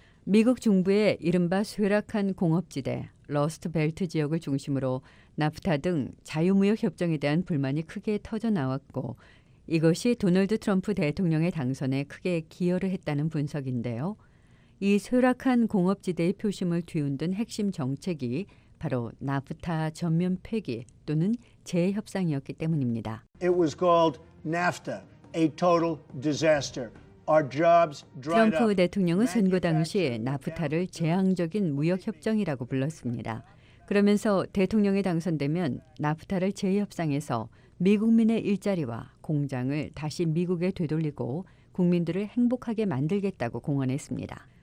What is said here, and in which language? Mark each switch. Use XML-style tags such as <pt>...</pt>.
<ko>미국 중부의 이른바 쇠락한 공업지대, 러스트벨트 지역을 중심으로 나프타 등 자유무역협정에 대한 불만이 크게 터져나왔고 이것이 도널드 트럼프 대통령의 당선에 크게 기여를 했다는 분석인데요. 이 쇠락한 공업지대의 표심을 뒤흔든 핵심 정책이 바로 나프타 전면 폐기 또는 재협상이었기 때문입니다.</ko> <en>It was called NAFTA, a total disaster. Our jobs dried up.</en> <ko>트럼프 대통령은 선거 당시 나프타를 재앙적인 무역협정이라고 불렀습니다. 그러면서 대통령에 당선되면 나프타를 재협상해서 미국민의 일자리와 공장을 다시 미국에 되돌리고 국민들을 행복하게 만들겠다고 공언했습니다.</ko>